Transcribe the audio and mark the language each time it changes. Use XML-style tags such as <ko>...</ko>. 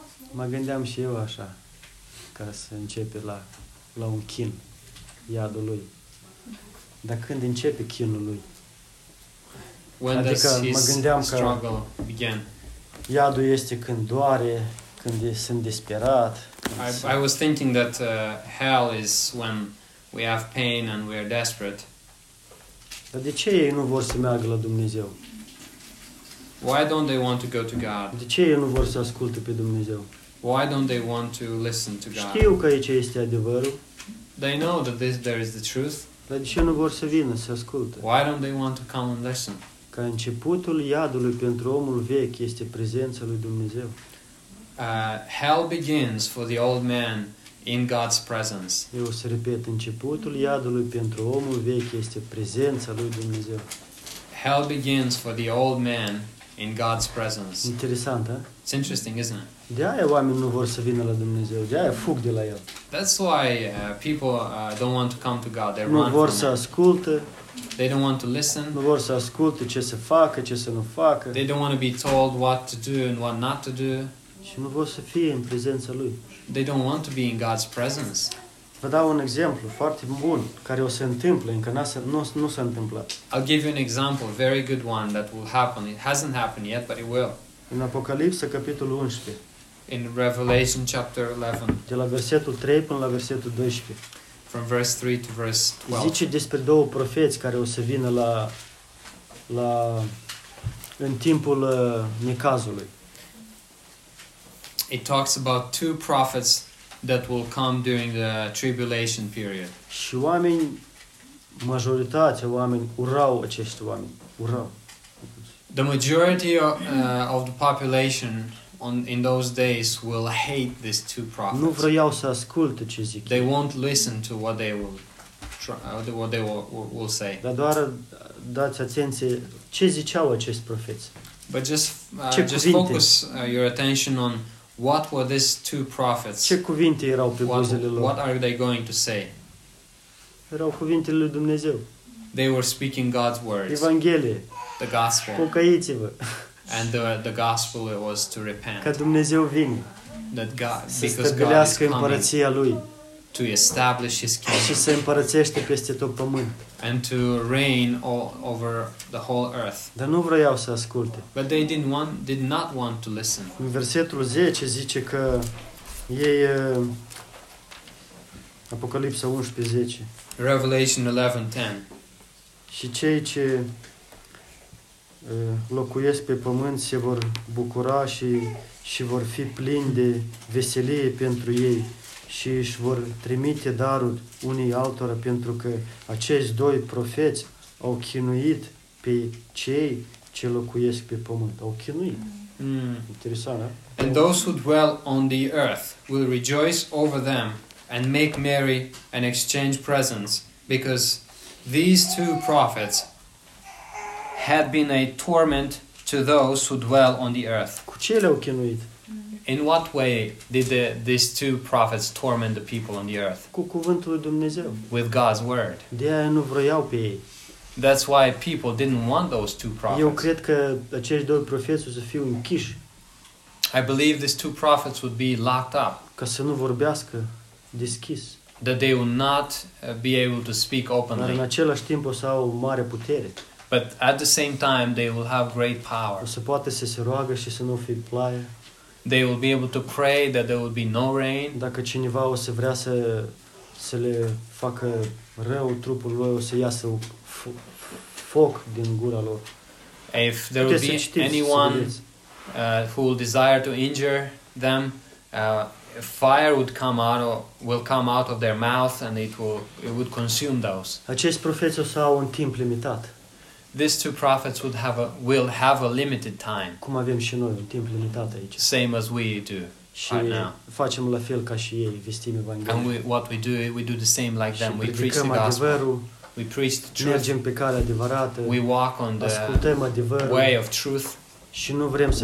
<ro>Mă gândeam și eu așa, ca să începe la un chin iadului. Dar când începe chinul lui?</ro> <en>When</en> <ro>adică</ro> <en>does his</en> <ro>mă</ro> <en>struggle</en> <ro>că</ro> <en>begin?</en> <ro>Iadul este când doare, când sunt disperat.</ro> <en>I was thinking that hell is when we have pain and we are desperate.</en> <ro>Dar de ce ei nu vor să meargă la Dumnezeu?</ro> <en>Why don't they want to go to God?</en> <ro>De ce ei nu vor să asculte pe Dumnezeu?</ro> <en>Why don't they want to listen to God?</en> <ro>Știu că aici este adevărul.</ro> <en>They know that there is the truth.</en> <ro>Dar de ce nu vor să vină să asculte?</ro> <en>Why don't they want to come and listen?</en> <ro>Că începutul iadului pentru omul vechi este prezența lui Dumnezeu.</ro> <en>Hell begins for the old man in God's presence.</en> <ro>Eu o să repet, începutul iadului pentru omul vechi este prezența lui Dumnezeu.</ro> <en>Hell begins for the old man in God's presence.</en> <ro>Interesant, a?</ro> <en>It's interesting, isn't it?</en> <ro>De-aia oamenii nu vor să vină la Dumnezeu. De-aia fug de la el.</ro> <en>That's why people don't want to come to God. They're</en> <ro>nu vor să asculte.</ro> <en>They don't want to listen.</en> <ro>Nu vor să asculte ce să facă, ce să nu facă.</ro> <en>They don't want to be told what to do and what not to do.</en> <ro>Și nu vor să fie în prezența lui.</ro> <en>They don't want to be in God's presence.</en> <ro>Vă dau un exemplu foarte bun care o se întâmplă, încă nu s-a întâmplat.</ro> <en>I'll give you an example, a very good one that will happen. It hasn't happened yet, but it will.</en> <ro>În Apocalipsa capitolul 11.</ro> <en>In Revelation chapter 11.</en> <ro>De la versetul 3 până la versetul 12.</ro> <en>From verse 3 to verse 12.</en> <ro>Zice despre două profeți care o să vină la în timpul necazului.</ro> <en>It talks about two prophets that will come during the tribulation period.</en> <ro>Și oameni, majoritatea oameni urau acești oameni, urau.</ro> <en>The majority of the population in those days will hate these two prophets.</en> <ro>Nu vreau să asculte ce zic.</ro> <en>They won't listen to what they will say.</en> <ro>Dar doar dați atenție ce ziceau acești profeți.</ro> <en>But just focus your attention on what were these two prophets.</en> <ro>Ce cuvinte erau pe buzele lor?</ro> <en>What are they going to say?</en> <ro>Erau cuvintele lui Dumnezeu.</ro> <en>They were speaking God's words.</en> <ro>Evanghelie.</ro> <en>The gospel.</en> <ro>Pocăiți-vă.</ro> <en>And the gospel it was to repent.</en> <ro>Că Dumnezeu vine.</ro> <en>That God, because God is coming.</en> <ro>Împărăția lui.</ro> <en>to establish his kingdom.</en> <ro>Și se împărățește peste tot pământ.</ro> <en>And to reign all over the whole earth.</en> <ro>Dar nu vreau să asculte.</ro> <en>But they didn't want, did not want to listen.</en> <ro>În versetul 10 zice că ei Apocalipsa 11:10.</ro> <en>Revelation 11:10.</en> <ro>Și cei ce locuiesc pe pământ se vor bucura și vor fi plini de veselie pentru ei și își vor trimite daruri unii altora pentru că acești doi profeți au chinuit pe cei ce locuiesc pe pământ. Au chinuit. Interesant, da?</ro> <en>And those who dwell on the earth will rejoice over them and make merry and exchange presents because these two prophets had been a torment to those who dwell on the earth.</en> <ro>Cu ce le-au chinuit?</ro> <en>In what way did these two prophets torment the people on the earth?</en> <ro>Cu cuvântul lui Dumnezeu.</ro> <en>With God's word.</en> <ro>De-aia nu vroiau pe ei.</ro> <en>That's why people didn't want those two prophets.</en> <ro>Eu cred că acești doi profeți o să fiu închiși.</ro> <en>I believe these two prophets would be locked up.</en> <ro>Ca să nu vorbească deschis.</ro> <en>That they will not be able to speak openly.</en> <ro>Dar în același timp o să au mare putere.</ro> <en>But at the same time they will have great power.</en> <ro>O să poată să se roagă și să nu fie ploaie.</ro> <en>They will be able to pray that there will be no rain.</en> <ro>Dacă cineva o să vrea să le facă rău trupul lor, o să iasă foc din gura lor.</ro> <en>If there will be anyone who will desire to injure them, fire would come out or will come out of their mouth and it would consume those.</en> <ro>Acești profeți o să au un timp limitat.</ro> <en>These two prophets will have a limited time.</en> <ro>Cum avem și noi un timp limitat aici.</ro> <en>Same as we do</en> <ro>și</ro> <en>right now.</en> <ro>Facem la fel ca și ei, vestim evanghelia.</ro> <en>And we do the same like them.</en> <ro>Și</ro> <en>we preach the gospel.</en> <ro>Adevărul,</ro> <en>we preach the truth.</en> <ro>Mergem pe calea adevărată.</ro> <en>We walk on the</en> <ro>ascultăm adevărul,</ro> <en>way of truth.</en> <ro>Și nu vrem să</ro>